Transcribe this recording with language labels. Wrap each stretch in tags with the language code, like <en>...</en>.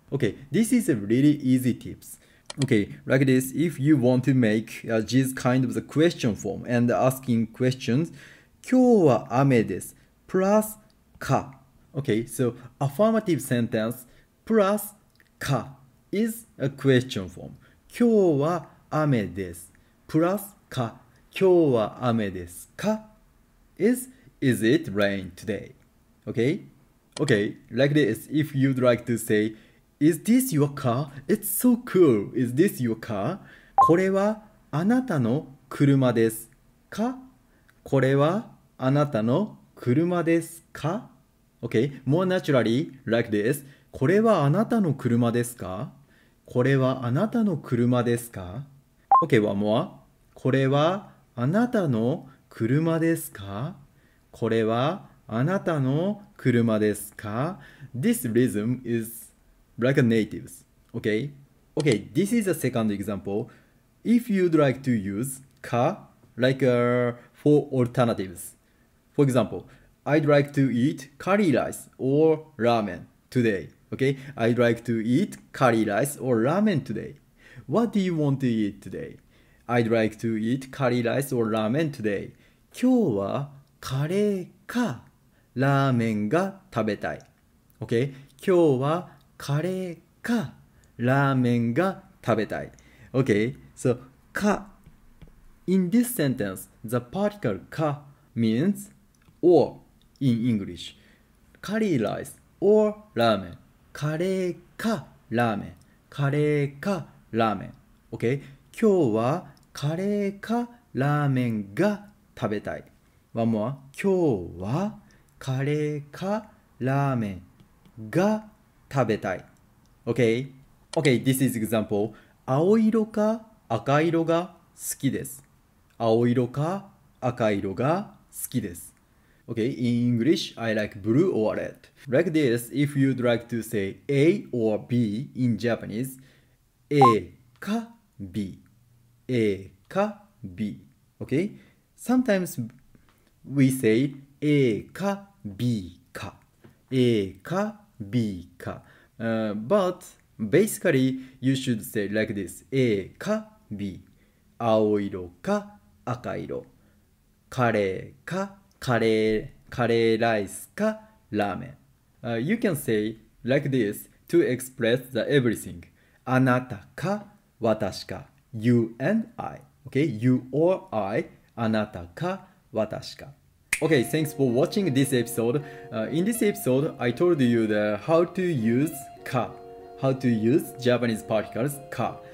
<en>Okay, this is a really easy tips. Okay, like this, if you want to make this kind of the question form and asking questions,</en> <ja>今日は雨です</ja> <en>plus ka. Okay, so affirmative sentence plus ka is a question form.</en> <ja>今日は雨です</ja> <en>plus ka.</en> <ja>今日は雨ですか</ja> <en>is it rain today? Okay? Okay, like this, if you'd like to say, Is this your car? It's so cool! Is this your car?</en> <ja>これはあなたの車ですか? これはあなたの車ですか?</ja> <en>Okay, more naturally, like this,</en> <ja>これはあなたの車ですか?これはあなたの車ですか?</ja> <en>Okay, one more.</en> <ja>これはあなたの車ですか? これはあなたの車ですか?</ja> <en>This rhythm is like a native. Okay? Okay, this is a second example. If you'd like to use ka like for alternatives. For example, I'd like to eat curry rice or ramen today. Okay? I'd like to eat curry rice or ramen today. What do you want to eat today? I'd like to eat curry rice or ramen today.</en> <ja>今日はカレーかラーメンが食べたい。</ja> <en>Okay?</en> <ja>今日はカレーかラーメンが食べたい。</ja> <en>Okay? So, か In this sentence, the particle か means or in English.</en> <ja>カレーライス or ラーメン。カレーかラーメン。カレーかラーメン。Okay? 今日はカレーかラーメンが食べたい。</ja> <en>One more.</en> <ja>今日はカレーかラーメンが食べたい。</ja> <en>Okay? Okay, this is example.</en> <ja>青色か赤色が好きです。青色か赤色が好きです。</ja> <en>Okay, in English, I like blue or red. Like this, if you'd like to say A or B in Japanese,</en> <ja>A か B. A か B.</ja> <en>Okay? Sometimes we say A か B か。</en> <ja>A か B か。</ja> <en>But basically, you should say like this.</en> <ja>A か B. 青色か赤色。カレーかカレーライスかラーメン。</ja> <en>You can say like this to express the everything.</en> <ja>あなたか私か。</ja> <en>You and I. Okay? You or I.</en> <ja>あなたか私か。</ja> <en>Okay, thanks for watching this episode. In this episode, I told you the how to use ka, how to use Japanese particles ka.</en>